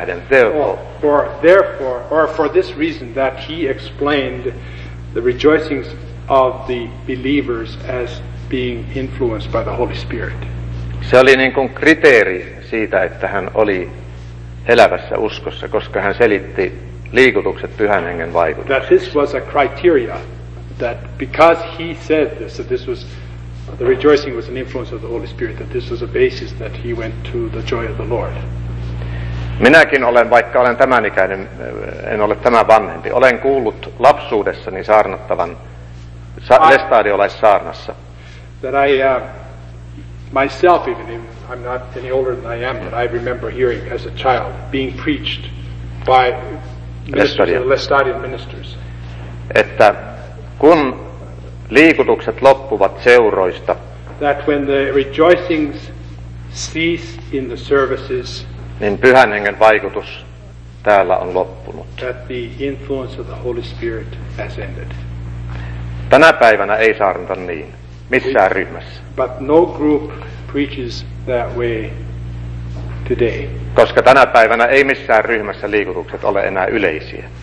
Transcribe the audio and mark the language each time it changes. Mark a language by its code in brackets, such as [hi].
[en] For this reason that he explained the rejoicings of the believers as being influenced by the Holy Spirit. [fi] Se oli niin kuin kriteeri siitä, että hän oli elävässä uskossa, koska hän selitti liikutukset pyhän hengen vaikutuksesta. [en] That this was a criteria that because he said this, that this was the rejoicing was an influence of the Holy Spirit, that this was a basis that he went to the joy of the Lord. [fi] Minäkin olen, vaikka olen tämän ikäinen, en ole tämän vanhempi, olen kuullut lapsuudessani saarnattavan lestadiolaissaarnassa. [en] That I myself, even if I'm not any older than I am, but I remember hearing as a child being preached by ministers, the Lestadian ministers. [fi] Että kun liikutukset loppuvat seuroista, [en] that when the rejoicings cease in the services, [fi] niin Pyhän Hengen vaikutus täällä on loppunut. [en] That the influence of the Holy Spirit has ended. [fi] Tänä päivänä ei saarnata niin, missään ryhmässä. [en] But no group preaches that way today. [fi] Koska tänä päivänä ei missään ryhmässä liikutukset ole enää yleisiä.